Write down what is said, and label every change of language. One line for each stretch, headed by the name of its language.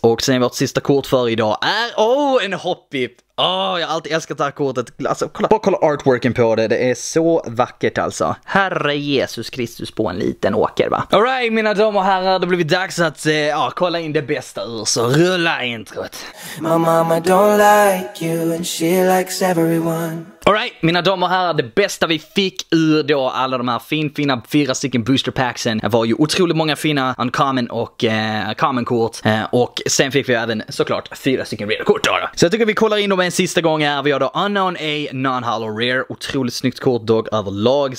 Swedish: Och sen vårt sista kort för idag är... Oh, en Hoppip. Åh, jag har alltid älskat det här kortet. Alltså, kolla. Bara kolla artworken på det. Det är så vackert alltså. Herre Jesus Kristus på en liten åker, va?
English: All right,
Swedish: mina damer och herrar. Då blir det dags att kolla in det bästa ur. Så rulla introt.
English: My mama don't like you and she likes everyone. All right,
Swedish: mina damer och herrar. Det bästa vi fick ur då alla de här fina fyra stycken booster packsen var ju otroligt många fina uncommon och common kort. Och sen fick vi även såklart fyra stycken rare kort då. Så jag tycker vi kollar in dem en sista gång här. Vi har då Unknown A, Non-Hollow Rare. Otroligt snyggt kort dog överlag.